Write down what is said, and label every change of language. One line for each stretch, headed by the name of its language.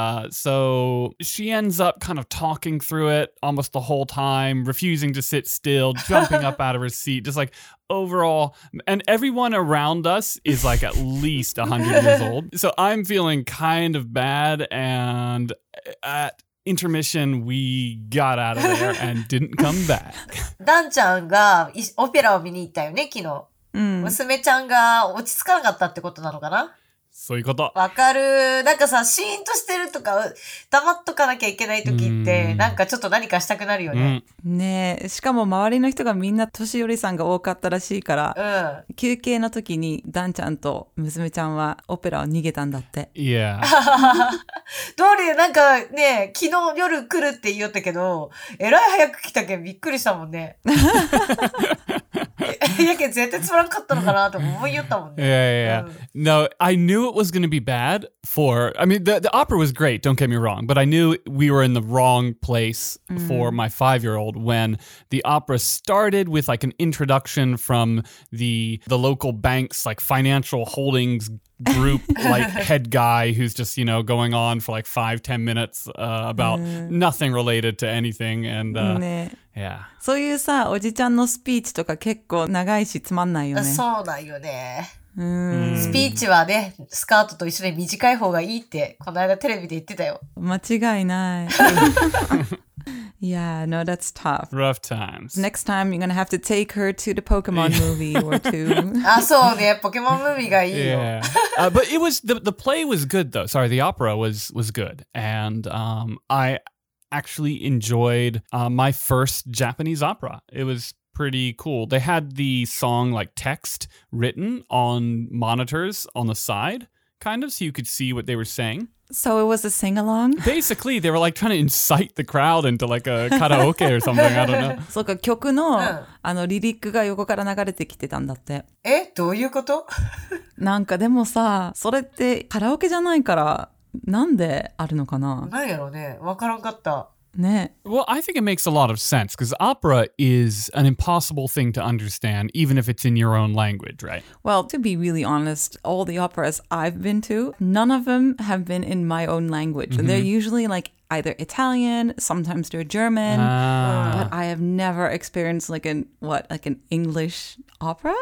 English: So she ends up kind of talking through it almost the whole time, refusing to sit still, jumping up out of her seat, just like overall. And everyone around us is like at least 100 years old. So I'm feeling kind of bad. And at intermission, we got out of there and didn't come back.
Japanese: Dan-chan がオペラを見に行ったよね、昨日。娘ちゃんが落ち着かなかったってことなのかな？そういうこと。わかる。なんかさ、シーンとしてるとか、黙っとかなきゃいけない時って、なんかちょっと何かしたくなるよね。ねえ、しかも周りの人がみんな年寄りさんが多かったらしいから、休憩の時にダンちゃんと娘ちゃんはオペラを逃げたんだって。いや。どうりでなんかね、昨日夜来るって言ったけど、えらい早く来たけんびっくりしたもんね。
English: No, I knew it was going to be bad for, I mean, the opera was great, don't get me wrong, but I knew we were in the wrong place for my five-year-old when the opera started with like an introduction from the local bank's like financial holdings group, like head guy who's just, you know, going on for like 5-10 minutes about nothing related to anything. And, Yeah.
Japanese: そういうさ、おじちゃんのスピーチとか結構長いしつまんないよね。そうだよね。スピーチはね、スカートと一緒に短い方がいいって、この間テレビで言ってたよ。間違いない。
English: Yeah, no, that's tough. Rough times. Next time, you're going to have to take her to the Pokemon movie or two. Ah, so, yeah, Pokemon movie がいいよ。 Yeah. But it was, the play was good though. Sorry, the opera was good. And I actually enjoyed my first Japanese opera. It was pretty cool. They had the song like text written on monitors on the side, kind of, so you could see what they were saying. So it was a sing-along? Basically, they were like trying to incite the crowd into like a karaoke or something. I don't know.
Japanese: そうか、曲の、あのリリックが横から流れてきてたんだって。え、どういうこと？なんかでもさ、それってカラオケじゃないから、なんであるのかな？なんやろね、わからんかった。ね。
English: Well, I think it makes a lot of sense, because opera is an impossible thing to understand, even if it's in your own language, right? Well, to be really honest, all the operas I've been to, none of them have been in my own language. Mm-hmm. They're usually like either Italian, sometimes they're German, but I have never experienced like an, what, like an English opera?